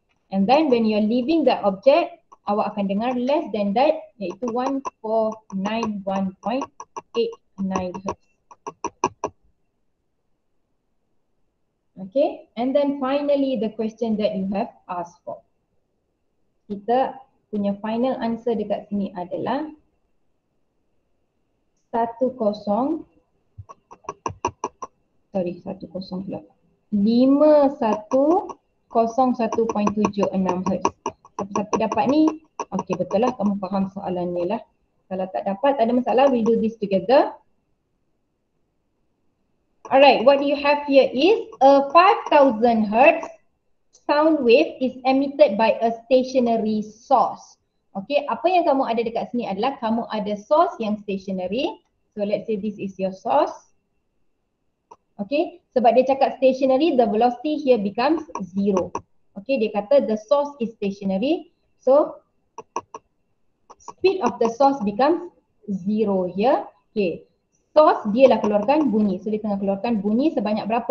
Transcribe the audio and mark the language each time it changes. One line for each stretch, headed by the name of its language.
English: And then when you're leaving that object,
Malay: awak akan dengar
English: less than that, iaitu 1491.89 Hz. Okay, and then finally the question that you have asked for.
Malay: Kita punya final answer dekat sini adalah 5101.76 Hz. Siapa-siapa dapat ni, okay betul lah, kamu faham soalan ni lah. Kalau tak dapat, tak ada masalah,
English: we'll do this together. Alright, what you have here is a 5000 Hz sound wave is emitted by a stationary source.
Malay: Okay, apa yang kamu ada dekat sini adalah kamu ada source yang stationary.
English: So let's say this is your source. Okay,
Malay: sebab dia cakap stationary,
English: the velocity here becomes zero. Okay,
Malay: dia kata
English: the source is stationary. So speed of the source becomes zero here.
Malay: Okay, source dia lah keluarkan bunyi. So dia tengah keluarkan bunyi sebanyak berapa?